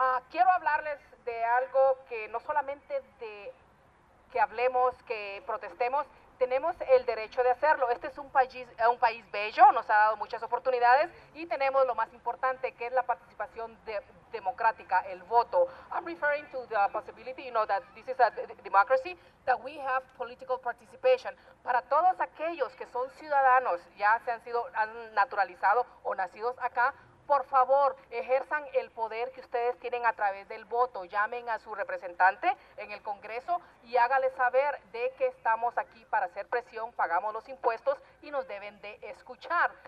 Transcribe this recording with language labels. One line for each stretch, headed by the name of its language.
Spanish: Quiero hablarles de algo que no solamente de que hablemos, que protestemos, tenemos el derecho de hacerlo. Este es un país bello, nos ha dado muchas oportunidades y tenemos lo más importante, que es la participación democrática, el voto.
English: I'm referring to the possibility, you know, that this is a democracy, that we have political participation.
Spanish: Para todos aquellos que son ciudadanos, ya se han sido naturalizados o nacidos acá, por favor, ejerzan el poder que ustedes tienen a través del voto. Llamen a su representante en el Congreso y hágale saber de que estamos aquí para hacer presión, pagamos los impuestos y nos deben de escuchar.